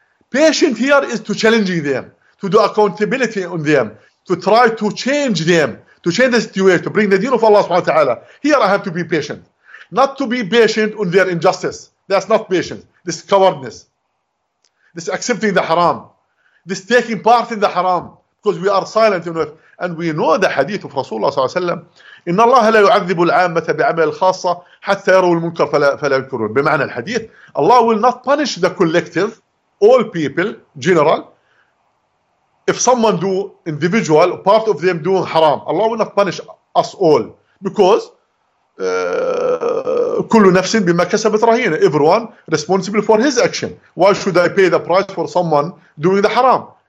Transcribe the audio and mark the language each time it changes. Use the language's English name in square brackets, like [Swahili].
[English] Patient here is to challenging them, to do accountability on them, to try to change them, to change the situation, to bring the deen of Allah subhanahu wa ta'ala. Here I have to be patient. Not to be patient on their injustice. That's not patience. This cowardness. This accepting the haram. This taking part in the haram. Because we are silent on it. And we know the hadith of Rasulullah sallallahu alayhi wa sallam. [Arabic] إن الله لا يعذب العامة بعمل الخاصة حتى يروا المنكر فلا يذكرون. بمعنى الحديث, [English] Allah will not punish the collective, all people, general. If someone do individual, part of them doing haram, Allah will not punish us all. Because [Arabic] كل نفس بما كسبت رهينة. [English] Everyone responsible for his action. Why should I pay the price for someone doing the haram?